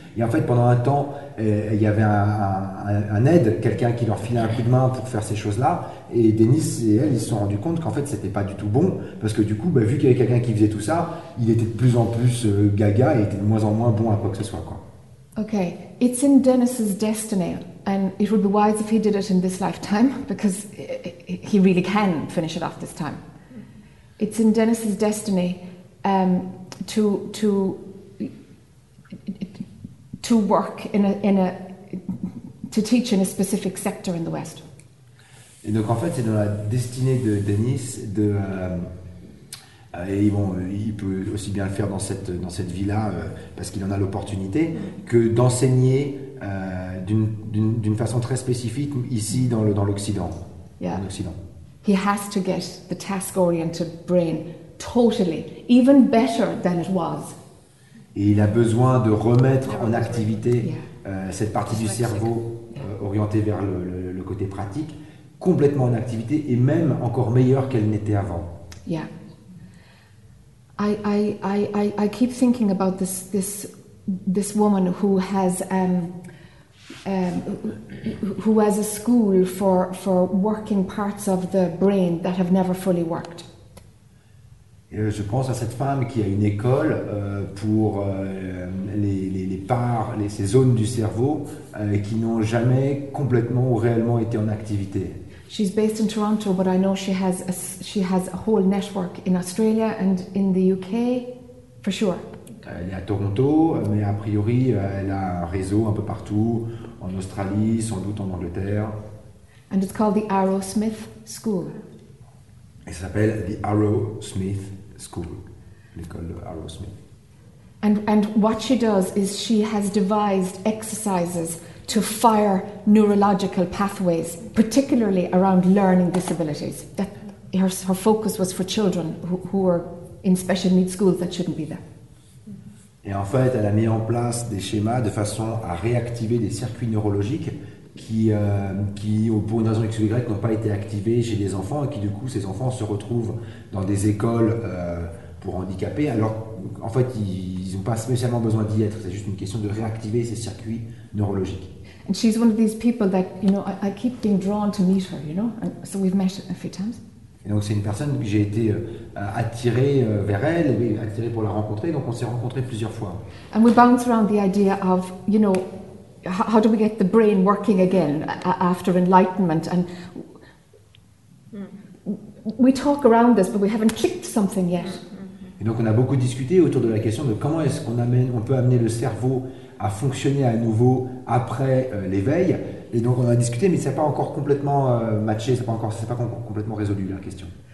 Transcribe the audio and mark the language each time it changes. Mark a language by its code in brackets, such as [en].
[fr] Et en fait, pendant un temps, il y avait un aide, quelqu'un qui leur filait un coup de main pour faire ces choses-là. Et Denis et elle, ils se sont rendus compte qu'en fait, c'était pas du tout bon. Parce que du coup, vu qu'il y avait quelqu'un qui faisait tout ça, il était de plus en plus gaga et était de moins en moins bon à quoi que ce soit, quoi. [en] Okay, it's in Dennis's destiny, and it would be wise if he did it in this lifetime, because he really can finish it off this time. It's in Dennis's destiny to work to teach in a specific sector in the West. [fr] Et donc en fait, c'est dans la destinée de Dennis de il peut aussi bien le faire dans cette vie-là, parce qu'il en a l'opportunité, que d'enseigner d'une façon très spécifique ici dans l'Occident. [en] Yeah. [fr] Dans l'Occident. [en] He has to get the task-oriented brain totally, even better than it was. [fr] Et il a besoin de remettre en activité cette partie du cerveau orientée vers le côté pratique, complètement en activité et même encore meilleure qu'elle n'était avant. [en] Yeah. I keep thinking about this woman who has a school for working parts of the brain that have never fully worked. [fr] Et je pense à cette femme qui a une école pour les parts, ces zones du cerveau qui n'ont jamais complètement ou réellement été en activité. [en] She's based in Toronto, but I know she has a whole network in Australia and in the UK, for sure. [fr] Elle est à Toronto, mais a priori, elle a un réseau un peu partout, en Australie, sans doute en Angleterre. [en] And it's called the Arrowsmith School. [fr] Et ça s'appelle the Arrowsmith school, l'école Arrowsmith. [en] And what she does is she has devised exercises to fire neurological pathways, particularly around learning disabilities. That her focus was for children who were in special needs schools that shouldn't be there. [fr] Et en fait, elle a mis en place des schémas de façon à réactiver des circuits neurologiques qui pour une raison X ou Y, n'ont pas été activés chez des enfants et qui, du coup, ces enfants se retrouvent dans des écoles pour handicapés. Alors, en fait, ils n'ont pas spécialement besoin d'y être. C'est juste une question de réactiver ces circuits neurologiques. [en] And she's one of these people that, you know, I keep being drawn to meet her, you know, and so we've met a few times. [fr] Et donc c'est une personne que j'ai été attiré vers elle, attiré pour la rencontrer, donc on s'est rencontrés plusieurs fois. [en] And we bounce around the idea of, you know, how do we get the brain working again after enlightenment? And we talk around this, but we haven't clicked something yet. [fr] Et donc on a beaucoup discuté autour de la question de comment est-ce qu'on peut amener le cerveau à fonctionner à nouveau après l'éveil. Et donc on a discuté, mais ça n'a pas encore complètement matché, c'est pas complètement résolu la question.